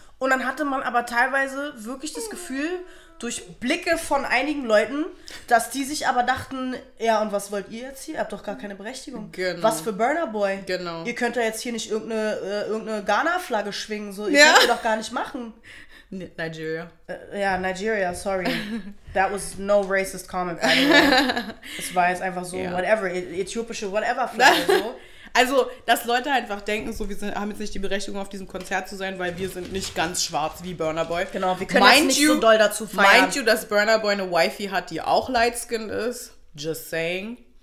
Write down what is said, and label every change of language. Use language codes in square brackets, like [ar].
[de] Und dann hatte man aber teilweise wirklich das Gefühl, durch Blicke von einigen Leuten, dass die sich aber dachten, ja und was wollt ihr jetzt hier? Ihr habt doch gar keine Berechtigung. Genau. Was für Burna Boy? Genau. Ihr könnt ja jetzt hier nicht irgendeine Ghana-Flagge schwingen, so. Ihr könnt ihr doch gar nicht machen. Nigeria. Ja, Nigeria, sorry. [en] That was no racist comment. [de] Es war jetzt einfach so, yeah. [en] Whatever, äthiopische whatever. [de] Also, dass Leute einfach denken, so, haben jetzt nicht die Berechtigung, auf diesem Konzert zu sein, weil wir sind nicht ganz schwarz wie Burna Boy. Genau, wir können jetzt nicht so doll dazu feiern. Mind you, dass Burna Boy eine Wifey hat, die auch light-skinned ist? Just saying.